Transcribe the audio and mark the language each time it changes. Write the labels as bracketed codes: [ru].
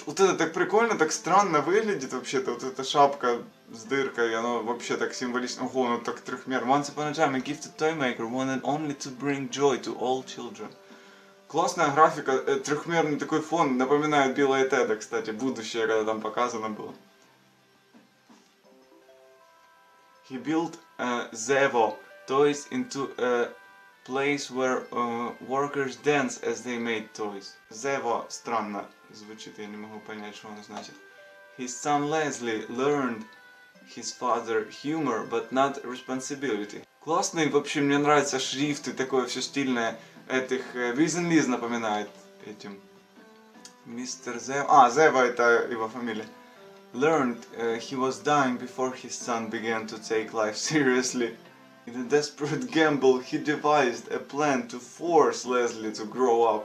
[ru] Вот это так прикольно, так странно выглядит вообще-то. Вот эта шапка с дыркой, оно вообще так символично. Ого, оно так трехмер. [en] Once upon a time, a gifted toy maker wanted only to bring joy to all children. [ru] Классная графика, трехмерный такой фон. Напоминает Билла и Теда, кстати. Будущее, когда там показано было. [en] He built Zevo toys into a place where workers dance as they made toys. [ru] Zevo странно звучит, я не могу понять, что оно значит. [en] His son Leslie learned his father humor, but not responsibility. [ru] Классный, вообще мне нравится шрифт и такое все стильное. Этих Wiz & Liz напоминает этим. Мистер Zevo. А, Zevo это его фамилия. [en] Learned he was dying before his son began to take life seriously. In a desperate gamble, he devised a plan to force Leslie to grow up.